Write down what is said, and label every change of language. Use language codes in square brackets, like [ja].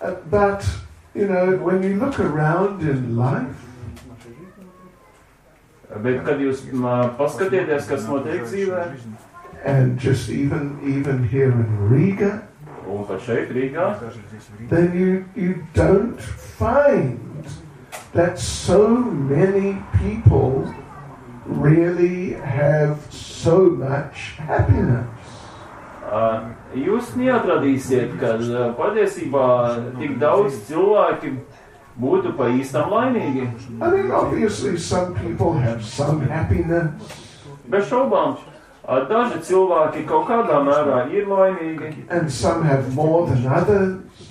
[en] But, you know, when you look around in life, [lv] bet kad jūs paskatieties, kas notiek dzīvē, [en] and just even here in Riga, [lv] un pat šeit Rīgā, [en] then you don't find that so many people really have so much happiness. [lv] Jūs neatradīsiet, ka patiesībā tik daudz cilvēki būtu pa īstam laimīgi. [en] I mean, obviously, some people have some happiness. [lv] Bez šaubām, daži cilvēki kaut kādā mērā ir laimīgi. [en] And some have more than others.